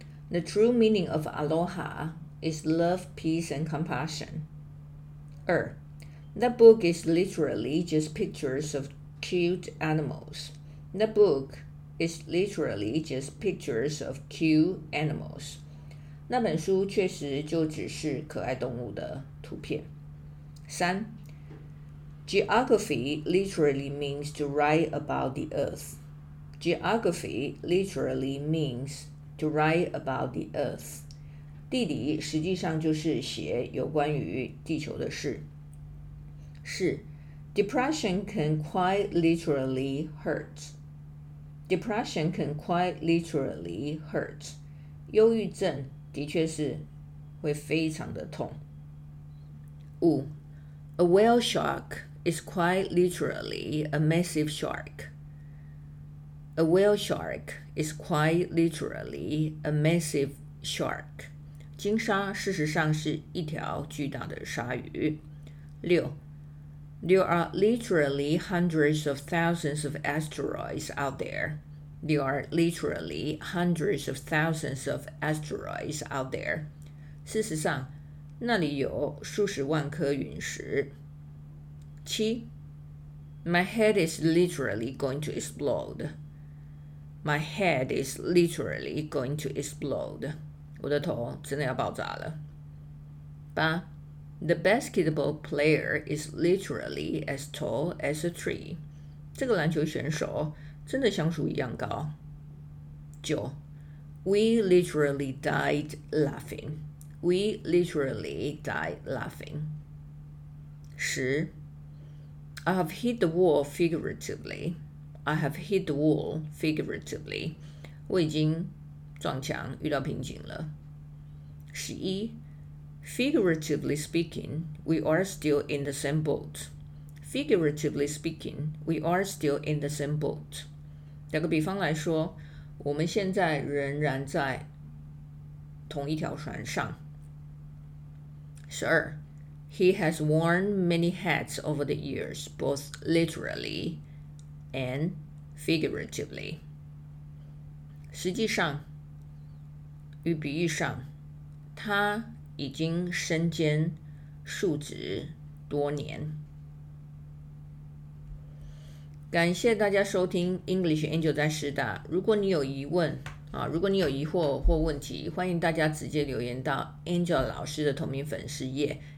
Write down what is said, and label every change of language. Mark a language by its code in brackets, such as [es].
[en] The true meaning of aloha is love, peace, and compassion. 二， That book is literally just pictures of cute animals. That book is literally just pictures of cute animals. [zh] 那本书确实就只是可爱动物的图片。 [en] 三， Geography literally means to write about the earth. Geography literally means... To write about the earth. [zh] 地理实际上就是写有关于地球的事。 [en] 四， Depression can quite literally hurt. Depression can quite literally hurt. [zh] 忧郁症的确是会非常的痛。 [en] 五， A whale shark is quite literally a massive shark. A whale shark is quite literally a massive shark. [zh] 鲸鲨事实上是一条巨大的鲨鱼。六， [en] There are literally hundreds of thousands of asteroids out there. There are literally hundreds of thousands of asteroids out there. [zh] 事实上，那里有数十万颗陨石。 [en] 七 My head is literally going to explode. My head is literally going to explode. [zh] 我的头真的要爆炸了。 [en] 八 The basketball player is literally as tall as a tree. [zh] 这个篮球选手真的像树一样高。 [en] 九 We literally died laughing. We literally died laughing. 十I have hit the wall figuratively. I have hit the wall figuratively. [zh] 我已经撞墙，遇到瓶颈了。 [en] 十一 Figuratively speaking, we are still in the same boat. Figuratively speaking, we are still in the same boat. [zh] 打个比方来说，我们现在仍然在同一条船上。 [en] 十二He has worn many hats over the years, both literally and figuratively. [zh] 实际上，与比喻上，他已经身兼数职多年。感谢大家收听 English Angel 在师大。如果你有疑问，如果你有疑惑或问题，欢迎大家直接留言到 Angel 老师的同名粉丝页。